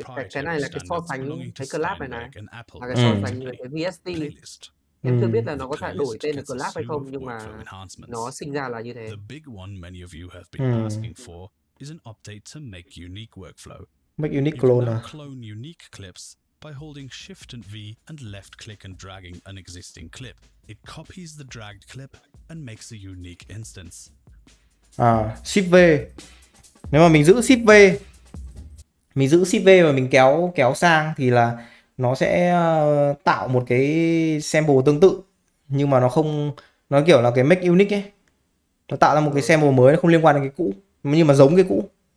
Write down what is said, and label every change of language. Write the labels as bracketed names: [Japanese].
[Vietnamese] Cái này là cái so sánh cái CLAP này này, là cái so sánh với cái VST. Em chưa biết là nó có thể đổi tên là CLAP hay không, nhưng mà nó sinh ra là như thế. [English] The big one many of you have been asking for is an update to make unique workflow. Make unique clone. You can clone unique clips by holding Shift and V and left click and dragging an existing clip. It copies the dragged clip and makes a unique instance. Shift V. [Vietnamese] Nếu mà mình giữ Shift V, mình giữ Shift V và mình kéo sang thì là nó sẽ tạo một cái sample tương tự, nhưng mà nó không, nó kiểu là cái make unique ấy. Nó tạo ra một cái sample mới, nó không liên quan đến cái cũ, nhưng mà giống cái cũ.